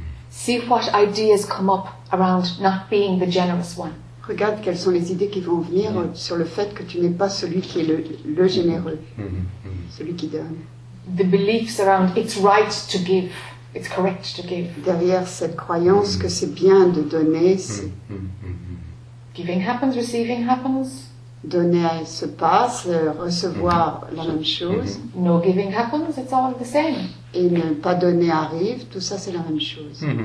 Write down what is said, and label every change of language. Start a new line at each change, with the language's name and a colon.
English: See what ideas come up around not being the generous one.
French: Regarde quelles sont les idées qui vont venir sur le fait que tu n'es pas celui qui est le généreux, celui qui donne.
English: The beliefs around it's right to give, it's correct to give.
French: Derrière cette croyance que c'est bien de donner, c'est...
English: Giving happens, receiving happens.
French: Donner se passe, recevoir la même chose.
English: No giving happens, it's all the same.
French: Et ne pas donner arrive, tout ça c'est la même chose.